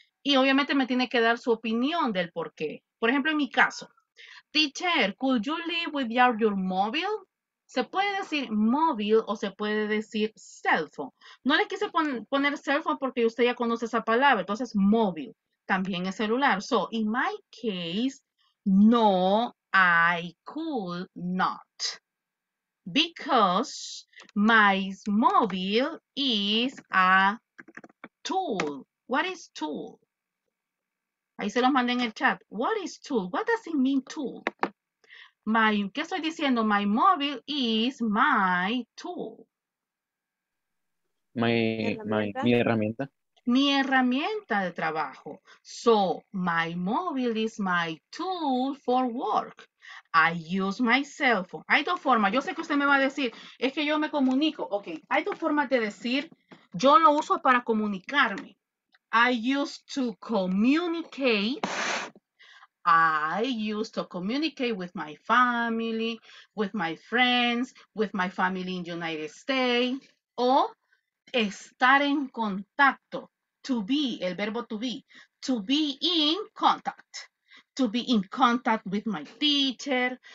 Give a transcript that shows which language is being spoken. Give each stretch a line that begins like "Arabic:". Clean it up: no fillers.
Spanish: Y obviamente me tiene que dar su opinión del por qué. Por ejemplo, en mi caso, teacher,
English: could you live without your mobile?
Spanish: Se puede decir móvil o se puede decir cell phone. No le quise poner cell phone porque usted ya conoce esa palabra. Entonces, móvil también es celular.
English: So, in my case, no, I could not. Because my mobile is a tool. What is tool?
Spanish: Ahí se los mandé en el chat.
English: What is tool? What does it mean tool?
Spanish: ¿Qué estoy diciendo?
English: My mobile is my tool.
Spanish: Mi herramienta. Mi herramienta de trabajo.
English: So, my mobile is my tool for work. I use my cell phone.
Spanish: Hay dos formas. Yo sé que usted me va a decir, es que yo me comunico. Ok, hay dos formas de decir, yo lo uso para comunicarme.
English: I used to communicate. I used to communicate with my family, with my friends, with my family in the United States.
Spanish: O estar en contacto. To be, el verbo to be.
English: To be in contact. To be in contact with my teacher.